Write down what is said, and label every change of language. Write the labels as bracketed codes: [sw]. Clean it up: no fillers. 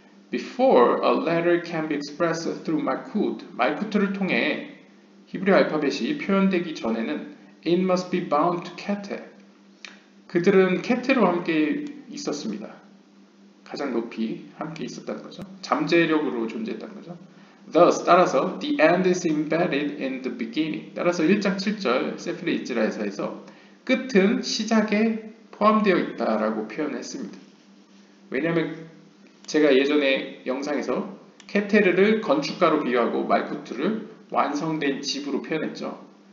[en] Before a letter can be expressed through Malkut, [ko] 말코트를 통해 히브리어 알파벳이 표현되기 전에는 [en] It must be bound to Keter. [ko] 그들은 Keter와 함께 있었습니다. 가장 높이 함께 있었다는 거죠. 잠재력으로 존재했다는 거죠. [en] Thus, [ko] 따라서 [en] The end is embedded in the beginning. [ko] 따라서 1장 7절 세프레이즈라에서 끝은 시작에 포함되어 있다라고 표현했습니다. 왜냐하면 제가 예전에 영상에서 Keter를 건축가로 비유하고 말코트를 완성된 집으로 표현했죠.